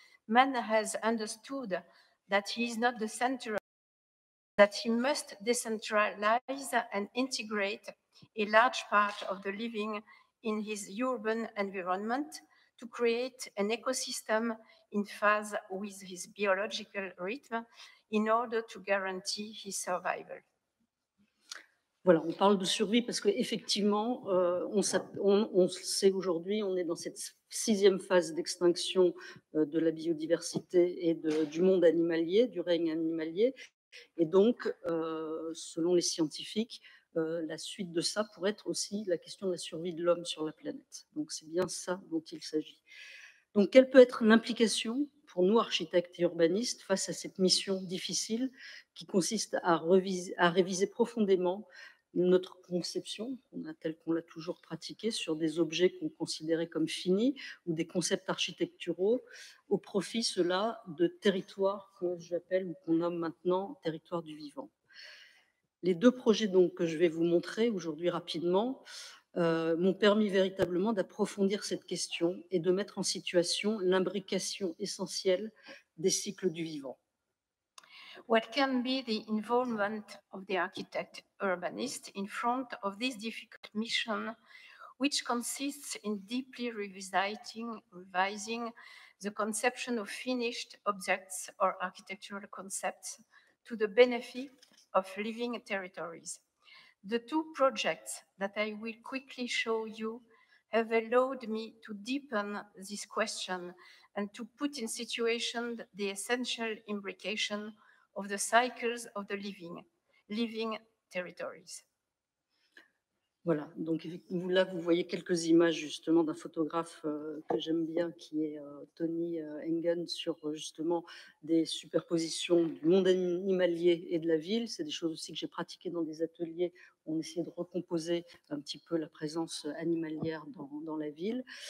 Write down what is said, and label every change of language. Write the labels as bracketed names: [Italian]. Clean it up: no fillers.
[English] Man has understood that he is not the center of that he must decentralize and integrate a large part of the living in his urban environment to create an ecosystem in phase with his biological rhythm in order to guarantee his survival. [French] Voilà, on parle de survie parce qu'effectivement, on sait aujourd'hui, on est dans cette sixième phase d'extinction de la biodiversité et du monde animalier, du règne animalier. Et donc, selon les scientifiques, la suite de ça pourrait être aussi la question de la survie de l'homme sur la planète. Donc, c'est bien ça dont il s'agit. Donc, quelle peut être l'implication pour nous, architectes et urbanistes, face à cette mission difficile qui consiste à réviser profondément notre conception, telle qu'on l'a toujours pratiquée, sur des objets qu'on considérait comme finis ou des concepts architecturaux au profit, cela, de territoires que j'appelle ou qu'on nomme maintenant territoire du vivant. Les deux projets donc, que je vais vous montrer aujourd'hui rapidement m'ont permis véritablement d'approfondir cette question et de mettre en situation l'imbrication essentielle des cycles du vivant. [English] What can be the involvement of the architect urbanist in front of this difficult mission, which consists in deeply revising the conception of finished objects or architectural concepts to the benefit of living territories? The two projects that I will quickly show you have allowed me to deepen this question and to put in situation the essential imbrication of the cycles of the living territories. [French] Voilà, donc là vous voyez quelques images justement d'un photographe que j'aime bien qui est Tony Engen sur justement des superpositions du monde animalier et de la ville. C'est des choses aussi que j'ai pratiquées dans des ateliers où on essayait de recomposer un petit peu la présence animalière dans la ville.